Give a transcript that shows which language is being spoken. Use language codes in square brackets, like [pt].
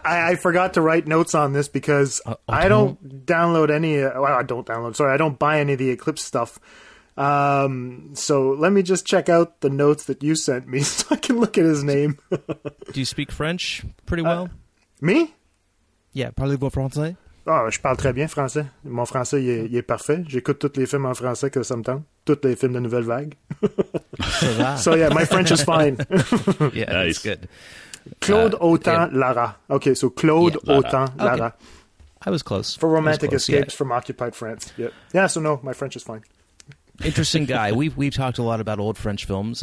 [en] I forgot to write notes on this because I don't download any – well, I don't download. Sorry, I don't buy any of the Eclipse stuff. So let me just check out the notes that you sent me so I can look at his name. Do you speak French pretty well? Me? [fr] Yeah, parlez-vous français? Ah, oh, je parle très bien français. Mon français, il est parfait. J'écoute tous les films en français que ça me tente. Tous les films de Nouvelle Vague. [en] So, yeah, my French is fine. Yeah, nice. That's good. Claude Autant-Lara. Okay, so Claude Autant-Lara. Okay. I was close. For Romantic close, Escapes from Occupied France. Yeah, so no, my French is fine. Interesting guy. We've talked a lot about old French films,